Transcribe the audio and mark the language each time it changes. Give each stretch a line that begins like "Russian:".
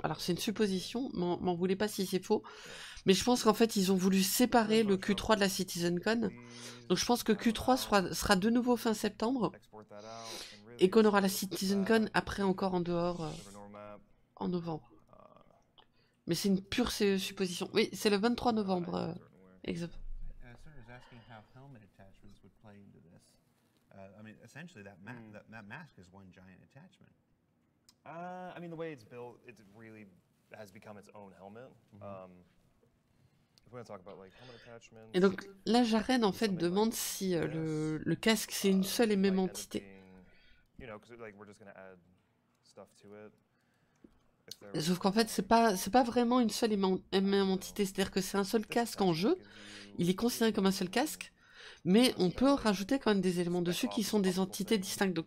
French: Alors, c'est une supposition, m'en voulez pas si c'est faux. Mais je pense qu'en fait, ils ont voulu séparer le Q3 de la CitizenCon. Donc, je pense que Q3 sera de nouveau fin septembre. Et qu'on aura la CitizenCon après encore en dehors en novembre. Mais c'est une pure supposition. Oui, c'est le 23 novembre, exemple.
English: asking how helmet attachments would play into this. I mean, essentially, that mask is one giant attachment. I mean, the way it's built, it really has become its own helmet. Mm-hmm. If we're going to talk about, like, helmet attachments...
French: Et donc, là, Jaren, en fait, demande like, si le casque, c'est une seule et même entité.
English: You know, because, like, we're just going to add stuff to it.
French: Sauf qu'en fait, c'est pas vraiment une seule et même entité, c'est-à-dire que c'est un seul casque en jeu, il est considéré comme un seul casque, mais on peut rajouter quand même des éléments dessus qui sont des entités distinctes.